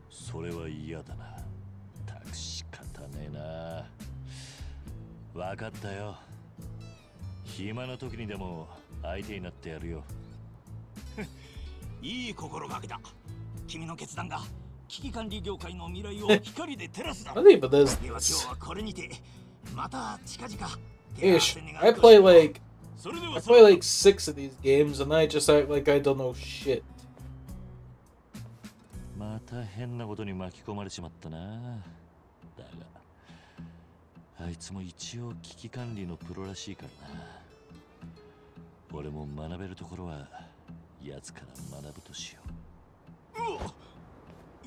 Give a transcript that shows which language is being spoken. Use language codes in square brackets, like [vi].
[ja] それは嫌だな。たく仕方ねえな。わかったよ。暇な時にでも相手になってやるよ。いい心がけだ。君の決断が危機管理業界の未来を光で照らすだ。 [en] Funny, but this. [ja] では今日はこれにて、また近々。 [en] Ish. I play like, I play like six of these games, and I just act like I don't know shit. [ja] また変なことに巻き込まれしまったな。だが、あいつも一応危機管理のプロらしいからな。俺も学べるところは、奴から学ぶとしよう。